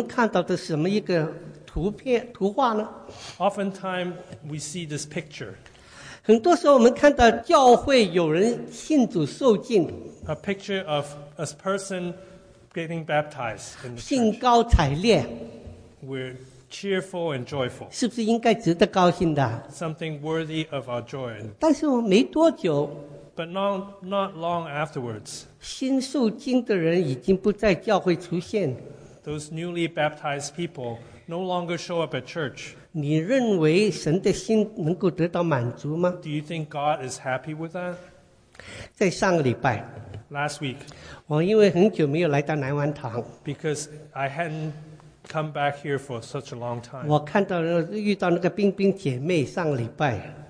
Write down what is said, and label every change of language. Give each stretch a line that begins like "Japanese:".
Chinese: 我们看到那个，我们的很多时候，我们看到的什么一个图片图画呢?
English: Oftentimes we see this picture.
Chinese: 很多时候我们看到教会有人信主受浸,
English: a picture of a person getting baptized in the church.
Chinese: 兴高采烈,
English: we're cheerful and joyful.
Chinese: 是不是应该值得高兴的?
English: Something worthy of our joy.
Chinese: 但是我没多久,
English: but not long afterwards,
Chinese: 新受浸的人已经不在教会出现,
English: those newly baptized people no longer show up at church.
Chinese: 你认为神的心能够得到满足吗?
English: Do you think God is happy with that?
Chinese: 在上个礼拜,
English: last week,
Chinese: 我因为很久没有来到南湾堂,
English: because I hadn't come back here for such a long time.
Chinese: 我看到遇到那个冰冰姐妹上个礼拜,